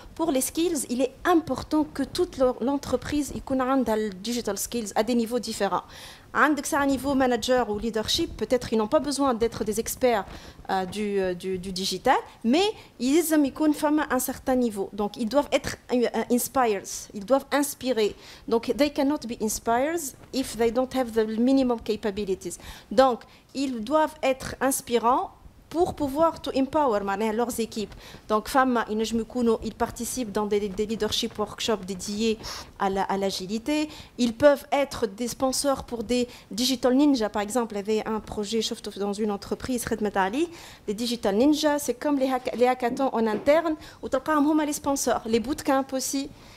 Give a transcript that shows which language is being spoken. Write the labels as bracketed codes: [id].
[fr] Pour les skills, il est important que toute l'entreprise ait des digital skills à des niveaux différents. À un niveau manager ou leadership, peut-être qu'ils n'ont pas besoin d'être des experts du digital, mais ils ont un certain niveau. Donc, ils doivent être inspired, ils doivent inspirer. [en] Donc, they cannot be inspired if they don't have the minimum capabilities. [fr] Donc, ils doivent être inspirants pour pouvoir [en] to empower [fr] leurs équipes. Donc, ils participent dans des leadership workshops dédiés à l'agilité. Ils peuvent être des sponsors pour des Digital Ninja, par exemple. Il y avait un projet dans une entreprise, Khedmet Ali, les Digital Ninja, c'est comme les hackathons en interne, où tu as les sponsors, les bootcamps aussi.